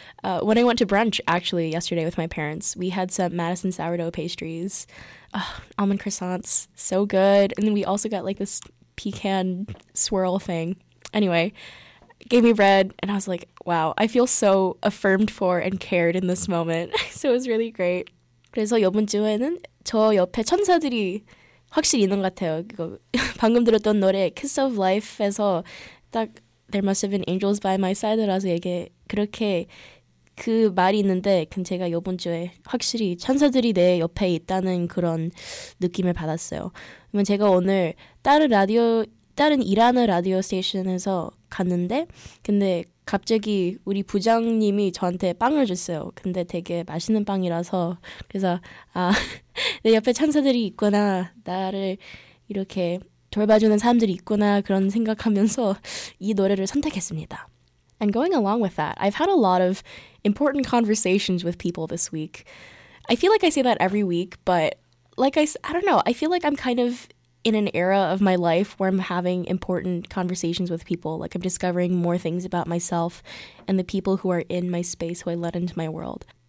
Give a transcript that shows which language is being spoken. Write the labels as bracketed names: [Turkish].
[English] When I went to brunch actually yesterday with my parents, we had some Madison sourdough pastries, almond croissants, so good. And then we also got like this pecan swirl thing. Anyway, gave me bread, and I was like, wow, I feel so affirmed for and cared in this moment. So it was really great. [Korean] 그래서 이번 주에는 저 옆에 천사들이 확실히 있는 것 같아요. 이거 방금 들었던 노래 Kiss of Life에서 딱 [English] There must have been angels by my side [Korean] 라서 이게 그렇게 그 말이 있는데, 그럼 제가 이번 주에 확실히 천사들이 내 옆에 있다는 그런 느낌을 받았어요. 그러면 제가 오늘 다른 일하는 라디오 스테이션에서 갔는데, 근데 갑자기 우리 부장님이 저한테 빵을 줬어요. 근데 되게 맛있는 빵이라서, 그래서 아, 내 옆에 천사들이 있구나, 나를 이렇게 돌봐주는 사람들이 있구나, 그런 생각하면서 이 노래를 선택했습니다. [English] And going along with that, I've had a lot of important conversations with people this week. I feel like I say that every week, but like I don't know, I feel like I'm kind of in an era of my life where I'm having important conversations with people. Like I'm discovering more things about myself and the people who are in my space, who I let into my world.